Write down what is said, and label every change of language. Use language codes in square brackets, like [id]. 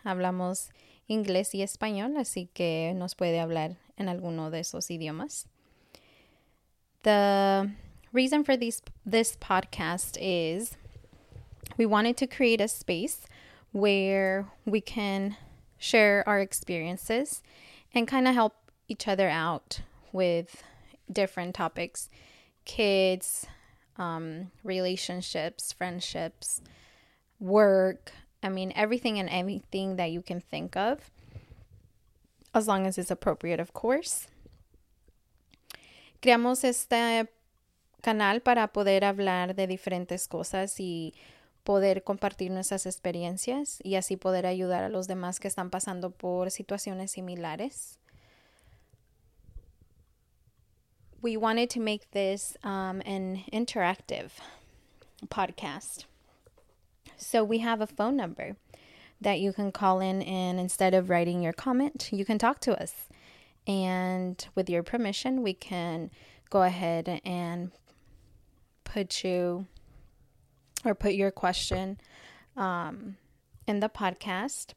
[es] Hablamos inglés y español, así que nos puede hablar en alguno de esos idiomas. [en] The reason for this podcast is we wanted to create a space where we can share our experiences and kind of help each other out with different topics, kids, relationships, friendships, work, I mean, everything and anything that you can think of, as long as it's appropriate, of course. [es] Creamos este canal para poder hablar de diferentes cosas y poder compartir nuestras experiencias y así poder ayudar a los demás que están pasando por situaciones similares. [en] We wanted to make this an interactive podcast. So we have a phone number that you can call in, and instead of writing your comment, you can talk to us. And with your permission, we can go ahead and put your question in the podcast.